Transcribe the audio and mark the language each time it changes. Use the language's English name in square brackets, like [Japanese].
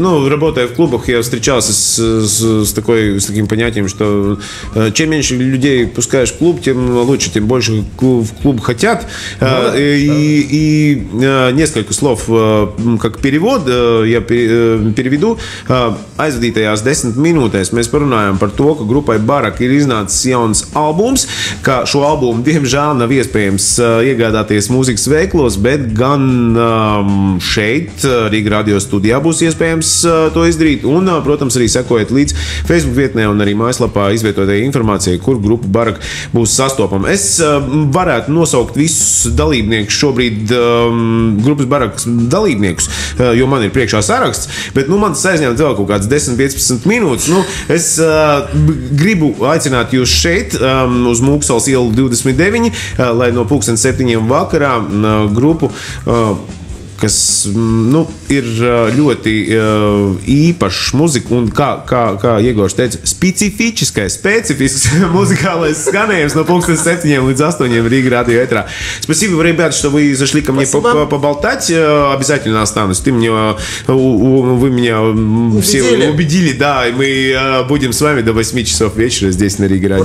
[Russian] Работая в клубах, я встречался с таким понятием, что чем меньше людей пускаешь в клуб, тем лучше, тем больше в клуб хотят. Несколько слов как перевод я переведу. Айзадитаяс 10 минут, мы спорунаем про [Latvian] to, ka grupai Barak ir iznācis jauns albums, ka šo albumu diemžēl nav iespējams iegādāties mūzikas veiklos, bet gan šeit, Rīga Radio studijā, būs iespējams to izdarīt. Un, protams, arī sekojiet līdz Facebook vietnē un arī mājaslapā izvietotajai informācijai, kur grupa Barak būs sastopama. Es varētu nosaukt visus dalībniekus šobrīd, grupas Barak dalībniekus, jo man ir priekšā saraksts, bet nu, man tas aizņemt vēl kaut kāds 10-15 minūtes. Nu, es gribu aicināt jūs šeit uz Mūksals ielu 29, lai no 7:00 vakarā grupu, kas nu, ir ļoti īpaša muzika un, kā Iegošs teica, specifisks muzikālais skanējums no 7:00 līdz 8:00 Rīga Radio Etrā. [Russian] Спасибо, ребят, что вы зашли ко мне поболтать. Обязательно останусь. Ты мне, вы меня все убедили, да, и мы будем с вами до 8:00 вечера здесь на Рига Радио.